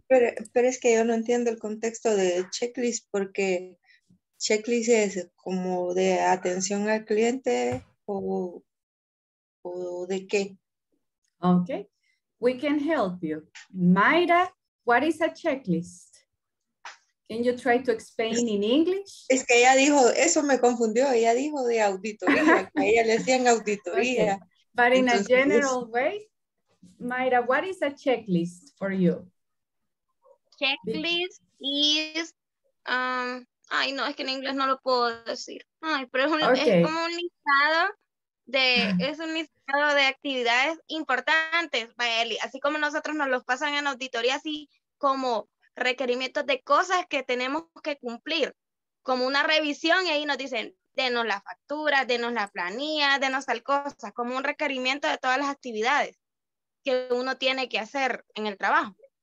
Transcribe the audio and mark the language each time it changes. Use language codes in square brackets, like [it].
[es] Pero es que yo no entiendo el contexto de checklist porque checklist es como de atención al cliente o de qué. [en] Okay, we can help you. Mayra, what is a checklist? Can you try to explain in English? [es] Es que ella dijo, eso me confundió, ella dijo de auditoría, que ella le decían auditoría. [en] Okay. But in entonces, a general way, Mayra, what is a checklist for you? Checklist is... [es] Ay, no, es que en inglés no lo puedo decir. Ay, pero es, un, [en] okay. [es] Es como un listado es un listado de actividades importantes, Maeli, así como nosotros nos los pasan en auditoría, así como requerimientos de cosas que tenemos que cumplir, como una revisión, y ahí nos dicen, denos la factura, denos la planilla, denos tal cosa, como un requerimiento de todas las actividades que uno tiene que hacer en el trabajo.